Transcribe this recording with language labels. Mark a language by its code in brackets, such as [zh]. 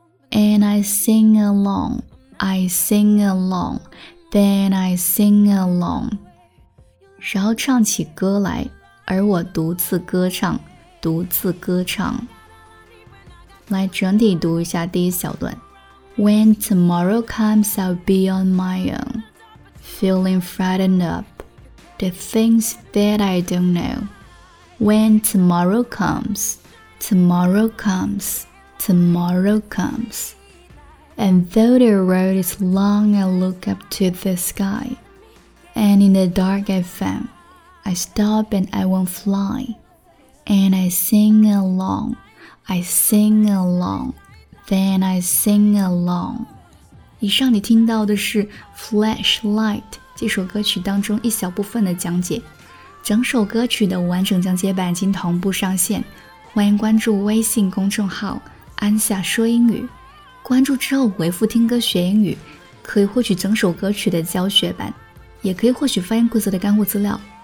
[en] And I sing along. I sing along. Then I sing along. [zh] 然后唱起歌来，而我独自歌唱，独自歌唱。来整体读一下第一小段。 [en] When tomorrow comes, I'll be on my own, feeling frightened up, the things that I don't know. When tomorrow comes, tomorrow comes, tomorrow comes. And though the road is long, I look up to the sky. And in the dark I found, I stop and I won't fly. And I sing along, I sing along. Then I sing along. [zh] 以上你听到的是 Flashlight 这首歌曲当中一小部分的讲解。整首歌曲的完整讲解版已经同步上线，欢迎关注微信公众号安夏说英语。关注之后回复听歌学英语，可以获取整首歌曲的教学版，也可以获取发音规则的干货资料。